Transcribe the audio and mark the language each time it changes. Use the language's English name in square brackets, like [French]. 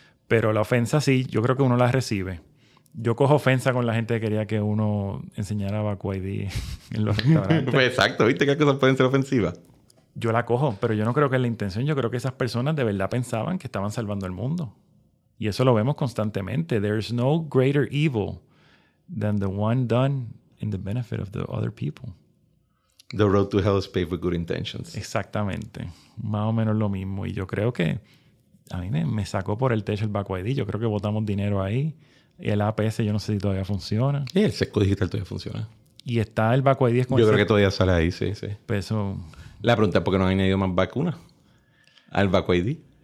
[Spanish] Pero la ofensa sí, yo creo que uno la recibe. Yo cojo ofensa con la gente que quería que uno enseñara Vacu ID en los restaurantes. Pues exacto, ¿viste que cosas pueden ser ofensivas? Yo la cojo, pero yo no creo que es la intención. Yo creo que esas personas de verdad pensaban que estaban salvando el mundo. Y eso lo vemos constantemente. [English] There's no greater evil than the one done in the benefit of the other people. The road to hell is paved with good intentions. [Spanish] Exactamente. Más o menos lo mismo. Y yo creo que a mí me sacó por el techo el Vacu ID. Yo creo que botamos dinero ahí. El APS yo no sé si todavía funciona. Sí, el sesgo digital todavía funciona. Y está el Vacu ID. Yo creo que todavía sale ahí, sí. Pues eso... La pregunta es, ¿por qué no han añadido más vacunas al Vacu ID?